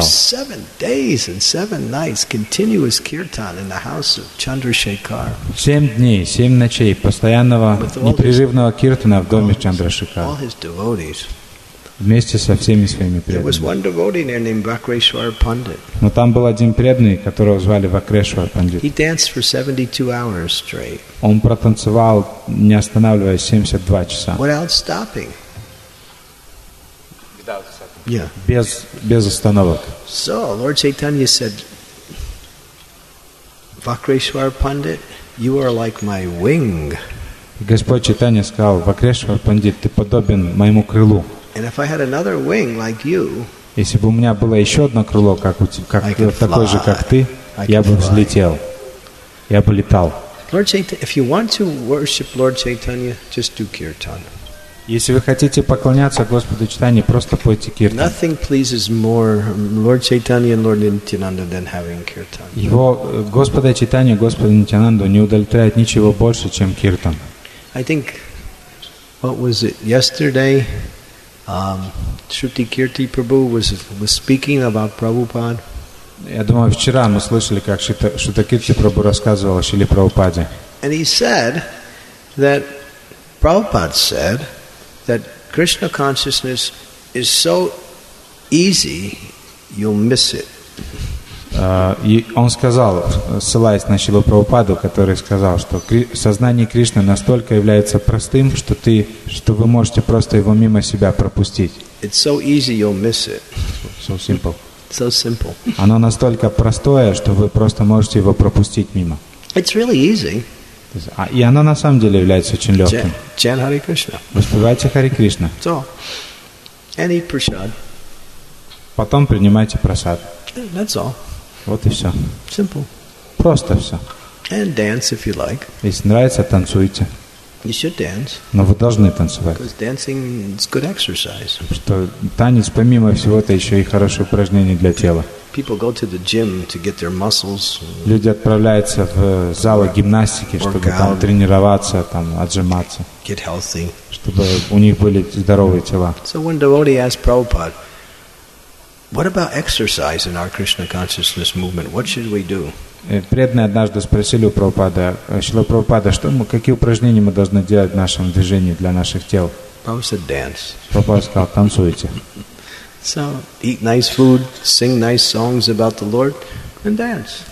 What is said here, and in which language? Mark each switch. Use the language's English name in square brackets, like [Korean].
[English] For 7 days and 7 nights, continuous kirtan in the house of Chandrasekhar. [Russian] 7 дней, 7 ночей постоянного непрерывного киртана в доме Чандрашекара. [English] All his devotees. [Russian] Вместе со всеми своими преданными. [English] There was one devotee there named Vakreshwar Pandit. [Russian] Но там был один преданный, которого звали Вакрешвар Пандит. [English] He danced for 72 hours straight. [Russian] Он протанцевал, не останавливаясь, 72 часа. [English] Without stopping. Yeah. [Russian] Без остановок. [English] So, Lord Chaitanya said, Vakreshwar Pandit, you are like my wing. [Russian] Господь Чайтанья сказал, Вакрешвар Пандит, ты подобен моему крылу. [English] And if I had another wing like you, [Russian] если бы у меня было еще одно крыло, как такой же, как ты, я бы взлетел, я бы летал. [English] Lord Chaitanya, if you want to worship Lord Chaitanya, just do kirtan. [Russian] Если вы хотите поклоняться Господу Чайтанье, просто пойте киртан. [English] Nothing pleases more Lord Chaitanya and Lord Nityananda than having kirtan. [Russian] Его Господа Чайтанья, Господа Нитянанду не удовлетворяет ничего больше, чем киртан. [English] I think, what was it yesterday? Shruti Kirti Prabhu was speaking about Prabhupada. [Russian] Я думаю, вчера мы слышали, как Шрута Кирти Прабху рассказывал о Шриле Прабхупаде. [English] And he said that Prabhupada said that Krishna consciousness is so easy you'll miss it. [Russian] И он сказал, ссылаясь на Шрилу Прабхупаду, который сказал, что сознание Кришны настолько является простым, что вы можете просто его мимо себя пропустить. [English] It's so easy, you'll miss it. So simple. So simple. [Russian] Оно настолько простое, что вы просто можете его пропустить мимо. [English] It's really easy. [Russian] И оно на самом деле является очень легким. [English] Chan Hare Krishna. [Russian] Воспевайте Хари Кришна. [English] So, and eat prasad. [Russian] Потом принимайте прасад. [English] That's all. [Russian] Вот и все. [English] Simple. [Russian] Просто все. [English] And dance if you like. [Russian] Если нравится, танцуйте. [English] You should dance. [Russian] Но вы должны танцевать. [English] Because dancing is good exercise. [Russian] Что танец, помимо всего, это еще и хорошее упражнение для тела. [English] People go to the gym to get their muscles. [Russian] Люди отправляются в залы гимнастики, чтобы там тренироваться, там отжиматься. [English] Get healthy. [Russian] Чтобы у них были здоровые тела. [English] So when devotee asked Prabhupada, What about exercise in our Krishna consciousness movement? What should we do? [Russian] Преданные однажды спросили у Прабхупады, Шрила Прабхупада, какие упражнения мы должны делать в нашем движении для наших тел? Прабхупада сказал, танцуйте. [English] So, eat nice food, sing nice songs about the Lord, and dance.